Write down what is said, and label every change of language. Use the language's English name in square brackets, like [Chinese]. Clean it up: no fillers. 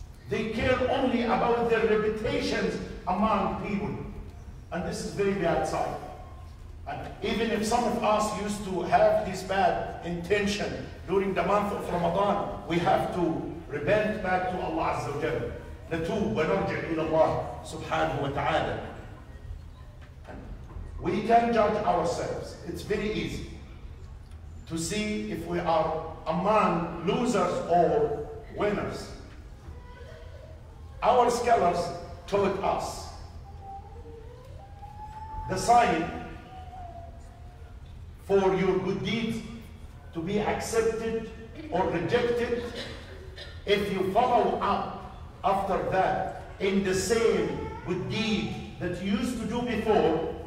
[English] They care only about their reputations among people. And this is very bad sign. And even if some of us used to have this bad intention during the month of Ramadan, we have to repent back to Allah Azza wa Jalla. [Arabic] نتوب ونرجع إلى الله سبحانه وتعالى. [English] We can judge ourselves. It's very easy to see if we are among losers or winners. Our scholars taught us the sign for your good deeds to be accepted or rejected if you follow up after that in the same good deed that you used to do before.